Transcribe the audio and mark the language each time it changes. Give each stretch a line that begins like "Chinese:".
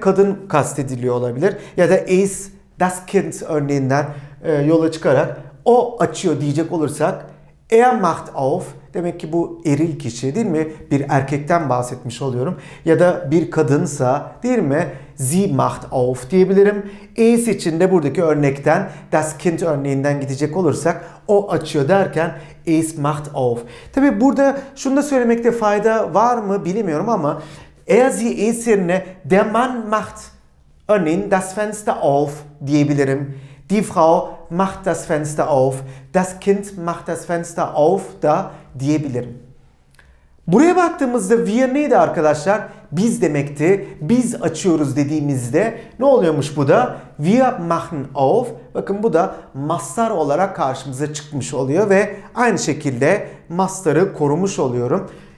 Turkish: Kadın kastediliyor olabilir. Ya da es, das Kind örneğinden yola çıkarak o açıyor diyecek olursak
German: er macht auf,
Turkish: demek ki bu eril kişi, değil mi? Bir erkekten bahsetmiş oluyorum. Ya da bir kadınsa, değil mi?
German: Sie macht auf diyebilirim.
Turkish: Es için de buradaki örnekten, das Kind örneğinden gidecek olursak, o açıyor derken
German: es macht auf.
Turkish: Tabi burada şunu da söylemekte fayda var mı bilmiyorum ama er sie es yerine
German: der Mann macht örneğin das Fenster auf
Turkish: diyebilirim.
German: Die Frau macht das Fenster auf. Das Kind macht das Fenster auf da diyebilirim.
Turkish: Buraya baktığımızda wir neydi arkadaşlar? Biz demekti. Biz açıyoruz dediğimizde ne oluyormuş bu da?
German: Wir machen auf.
Turkish: Bakın bu da mastar olarak karşımıza çıkmış oluyor ve aynı şekilde mastarı korumuş oluyorum.